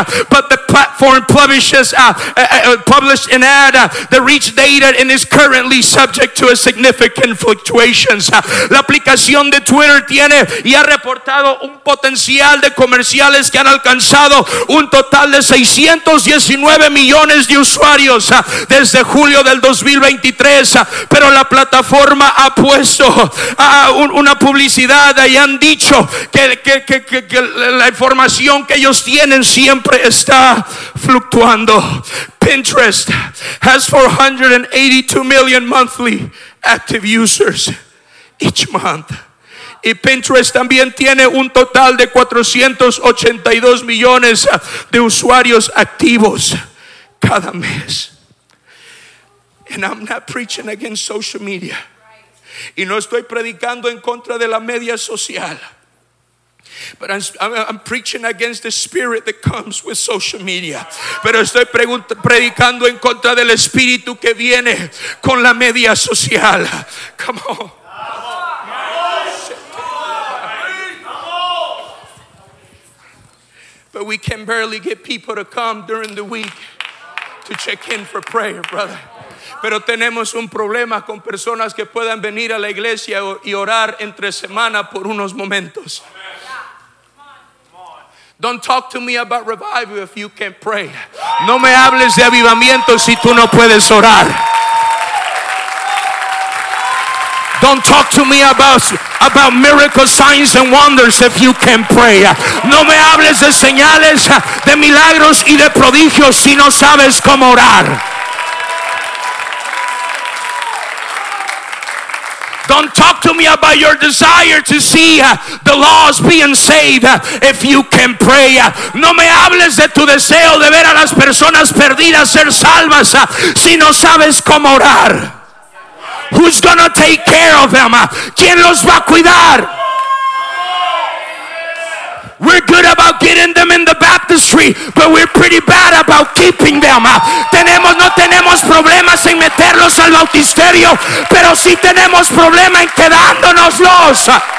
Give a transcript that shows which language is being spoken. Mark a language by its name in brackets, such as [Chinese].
[English] But the platform published an ad that reached data and is currently subject to a significant fluctuations. [Spanish] La aplicación de Twitter tiene y ha reportado un potencial de comerciales que han alcanzado un total de 619 millones de usuarios desde julio del 2023, pero la plataforma ha puesto una publicidad y han dicho que la información que ellos tienen siempre está fluctuando. [English] Pinterest has 482 million monthly active users each month. [Spanish] Y Pinterest también tiene un total de 482 millones de usuarios activos cada mes. [English] And I'm not preaching against social media. [Spanish] Y no estoy predicando en contra de la media social. [English] But I'm preaching against the spirit that comes with social media. [Spanish] Pero estoy predicando en contra del espíritu que viene con la media social. [English] Come on. We can barely get people to come during the week to check in for prayer, brother. [Spanish] Pero tenemos un problema con personas que puedan venir a la iglesia y orar entre semana por unos momentos. [English] Don't talk to me about revival if you can't pray. [Spanish] No me hables de avivamiento si tú no puedes orar. [English] Don't talk to me about miracles, signs and wonders if you can't pray. [Spanish] No me hables de señales, de milagros y de prodigios si no sabes cómo orar. [English] Don't talk to me about your desire to see the lost being saved if you can pray. [Spanish] No me hables de tu deseo de ver a las personas perdidas ser salvas si no sabes cómo orar. [English] Who's gonna take care of them? [Spanish] ¿Quién los va a cuidar? [English] We're good about getting them in the baptistry, but we're pretty bad about keeping them. [Spanish] No tenemos problemas en meterlos al bautisterio, pero sí tenemos problema en quedándonoslos.